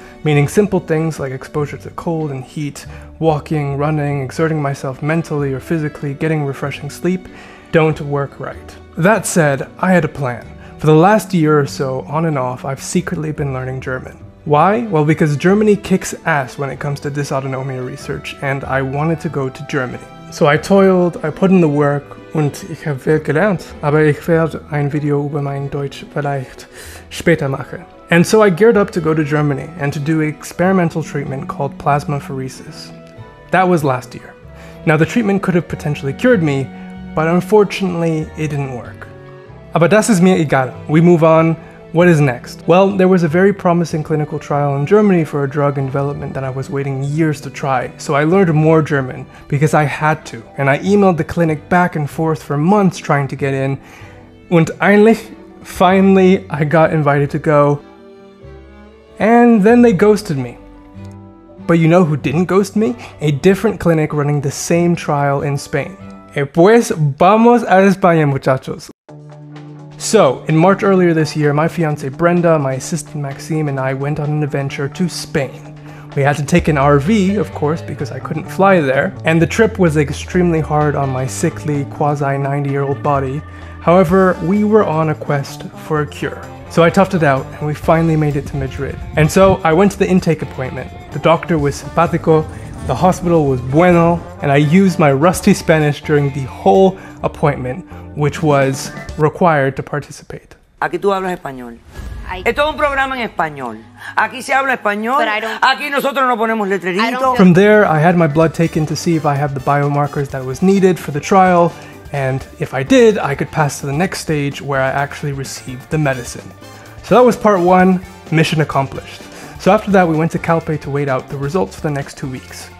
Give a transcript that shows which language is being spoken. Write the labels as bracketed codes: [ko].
[en] Meaning simple things like exposure to cold and heat, walking, running, exerting myself mentally or physically, getting refreshing sleep, don't work right. That said, I had a plan. For the last year or so, on and off, I've secretly been learning German. Why? Well, because Germany kicks ass when it comes to dysautonomia research, and I wanted to go to Germany. So I toiled, I put in the work, [de] und ich habe viel gelernt, aber ich werde ein Video über mein Deutsch vielleicht später machen. [en] And so I geared up to go to Germany and to do an experimental treatment called plasmapheresis. That was last year. Now, the treatment could have potentially cured me, but unfortunately, it didn't work. [de] Aber das ist mir egal. [en] We move on. What is next? Well, there was a very promising clinical trial in Germany for a drug in development that I was waiting years to try, so I learned more German, because I had to, and I emailed the clinic back and forth for months trying to get in, [de] und eigentlich, [en] finally, I got invited to go, and then they ghosted me. But you know who didn't ghost me? A different clinic running the same trial in Spain. [es] Y pues vamos a España, muchachos. [en] So, in March earlier this year, my fiancé Brenda, my assistant Maxime, and I went on an adventure to Spain. We had to take an RV, of course, because I couldn't fly there, and the trip was extremely hard on my sickly, quasi-90-year-old body. However, we were on a quest for a cure. So I toughed it out, and we finally made it to Madrid. And so, I went to the intake appointment. The doctor was simpático, the hospital was bueno, and I used my rusty Spanish during the whole appointment, which was required to participate. [es] Aquí tú hablas español. Esto es un programa en español. Aquí se habla español. Aquí nosotros no ponemos letrerito. [en] From there, I had my blood taken to see if I have the biomarkers that was needed for the trial, and if I did, I could pass to the next stage where I actually received the medicine. So that was part one, mission accomplished. So after that, we went to Calpe to wait out the results for the next 2 weeks.